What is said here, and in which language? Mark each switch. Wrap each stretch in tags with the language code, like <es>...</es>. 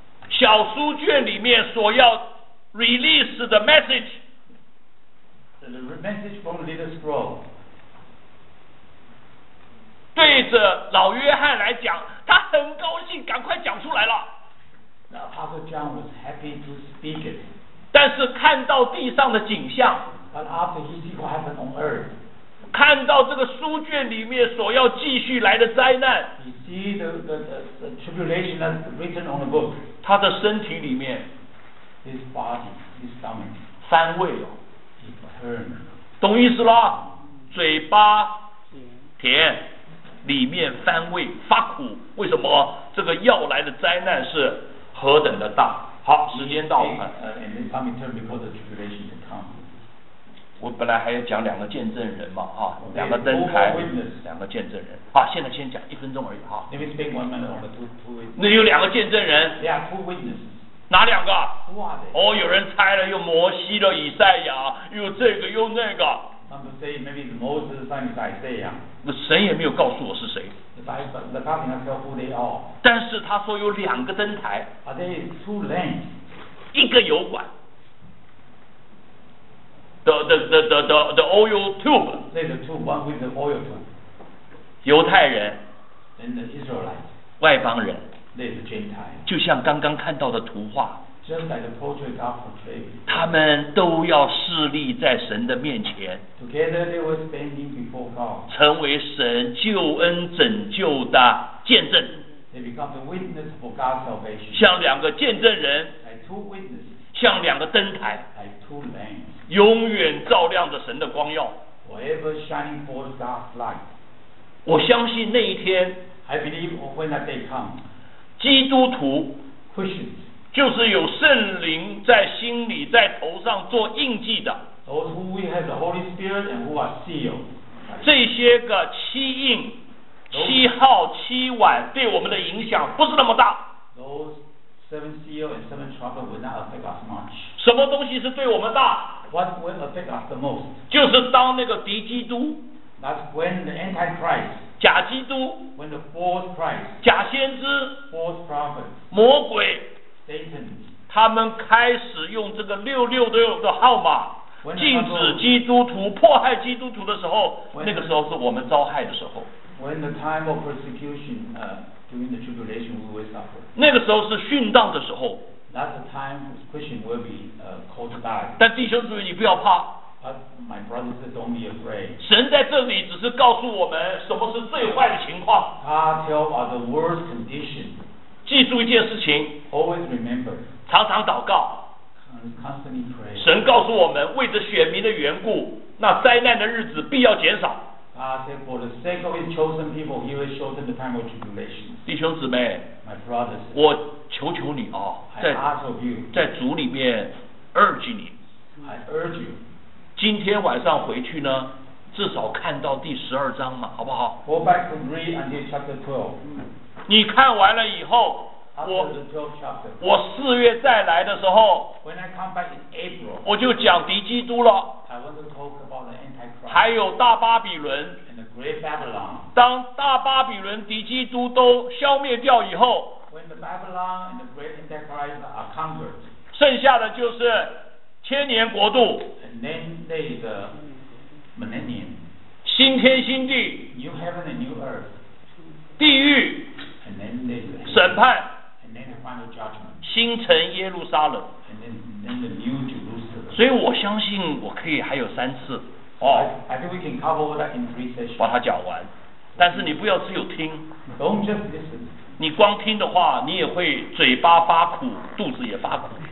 <zh>小书卷里面所要</zh> <en>release the message. The message from little scroll.</en> <zh>对着老约翰来讲，他很高兴，赶快讲出来了。</zh> <en>The Apostle John was happy to speak it.</en> <zh>但是看到地上的景象。</zh> <en>But after he see what happened on earth.</en> <zh>看到这个书卷里面所要继续来的灾难，</zh> <en>you see the tribulation that's written on the book.</en> <zh>他的身体里面，</zh> <en>his body, his stomach,</en> <zh>三味哦，</zh> <en>it turned.</en> <zh>懂意思了？嘴巴甜，里面三味发苦。为什么这个要来的灾难是何等的大？好，时间到了。</zh> <en>And his stomach turned before the tribulation had come.</en> <zh>我本来还要讲两个见证人嘛，哈，两个灯台，两个见证人，啊，现在先讲一分钟而已，哈。</zh> <en>Let me speak one minute on the two.</en> <zh>那有两个见证人。</zh> <en>There are two witnesses.</en> <zh>哪两个</zh> <en>？Who are they？</en> <zh>哦，有人猜了，又摩西了，以赛亚，又这个又那个。</zh> <en>Some say maybe it's Moses, some is Isaiah.</en> <zh>那神也没有告诉我是谁。</zh> <en>The God did not tell who they are.</en> <zh>但是他说有两个灯台。</zh> <en>Are they two lamps？</en> <zh>一个油管。</zh> <en>The oil tube. There's a tube, one with the oil tube.</en> <zh>犹太人。</zh> <en>And the Israelites.</en> <zh>外邦人。</zh> <en>There's a Gentile.</en> <zh>就像刚刚看到的图画。</zh> <en>Just like the portrait God portrayed.</en> <zh>他们都要侍立在神的面前。</zh> <en>Together they were standing before God.</en> <zh>成为神救恩拯救的见证。</zh> <en>They become the witness for God's salvation.</en> <zh>像两个见证人。</zh> <en>Like two witnesses.</en> <zh>像两个灯台。</zh> <en>Like two lamps.</en> <zh>永远照亮着神的光耀。</zh> <en>Forever shining for God's light.</en> <zh>我相信那一天</zh> <en>，I believe when that day comes,</en> <zh>基督徒</zh> <en>Christians</en> <zh>就是有圣灵在心里在头上做印记的。</zh> <en>Those who have the Holy Spirit and who are sealed.</en> <zh>这些个七印、七号、七碗对我们的影响不是那么大。</zh> <en>Those seven seal and seven trumpet will not affect us much.</en> <zh>什么东西是对我们大？</zh> <en>What will affect us the most?</en> <zh>就是当那个敌基督</zh> <en>That's when the Antichrist</en> <zh>假基督</zh> <en>When the false Christ</en> <zh>假先知</zh> <en>False prophet</en> <zh>魔鬼</zh> <en>Satan</en> <zh>他们开始用这个666的号码禁止基督徒迫害基督徒的时候</zh> <en>when,</en> <zh>那个时候是我们遭害的时候</zh> <en>When the time of persecution during the tribulation we will suffer</en> <zh>那个时候是殉道的时候</zh> <en>That's the time Christian will be called to die.</en> <zh>但弟兄姊妹，你不要怕。</zh> <en>But my brothers, don't be afraid.</en> <zh>神在这里只是告诉我们什么是最坏的情况。他</zh> <en>tell us the worst condition.</en> <zh>记住一件事情。</zh> <en>Always remember.</en> <zh>常常祷告。</zh> <en>Constantly pray.</en> <zh>神告诉我们，为着选民的缘故，那灾难的日子必要减少。</zh> <en>God said, for the sake of His chosen people, He will shorten the time of tribulation.</en> <zh>弟兄姊妹。</zh> <en>My brothers.</en> <zh>我求求你啊、哦，在</zh> <en>you,</en> <zh>在主里面 urge 你</zh> <en>，I urge you，</en> <zh>今天晚上回去呢至少看到第十二章嘛，好不好？</zh> <en>Go back to read until chapter 12.</en> <zh>你看完了以后，我四月再来的时候，</zh> <en>When I come back in April,</en> <zh>我就讲敌基督了。</zh> <en>I want to talk about the Antichrist,</en> <zh>还有大巴比伦。</zh> <en>And the Great Babylon.</en> <zh>当大巴比伦敌基督都消灭掉以后，</zh> <en>When the Babylon and the Great Antichrist are conquered,</en> <zh>剩下的就是千年国度。</zh> <en>And then the millennium.</en> <zh>新天新地。</zh> <en>New heaven and new earth.</en> <zh>地狱。</zh> <en>And then the</en> <zh>审判。</zh> <en>Final judgment.</en> <zh>新城耶路撒冷</zh> <en>and then the new Jerusalem.</en> <zh>所以我相信我可以还有三次、</zh> <en>I think we can cover that in three sessions.</en> <zh>把它讲完，但是你不要只有听，</zh> <en>Don't just listen.</en> <zh>你光听的话你也会嘴巴发苦，肚子也发苦。</zh>